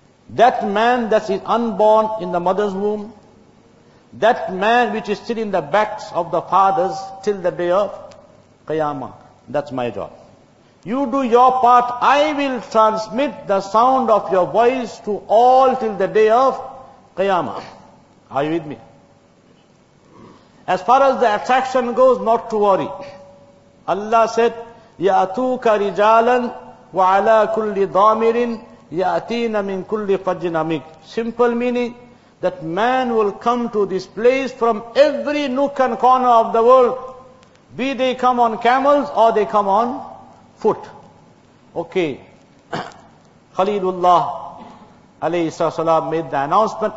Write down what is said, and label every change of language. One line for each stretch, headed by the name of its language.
English: That man that is unborn in the mother's womb, that man which is still in the backs of the fathers till the day of Qiyamah, that's my job. You do your part, I will transmit the sound of your voice to all till the day of Qiyamah. Are you with me? As far as the attraction goes, not to worry. Allah said,
Arabic: يَأْتُوكَ رِجَالًا وَعَلَىٰ كُلِّ ضَامِرٍ يَأْتِينَ مِنْ كُلِّ فَجٍّ عَمِيقٍ.
English: Simple meaning, that man will come to this place from every nook and corner of the world, be they come on camels or they come on foot. Okay. Khalilullah alayhi salam made the announcement.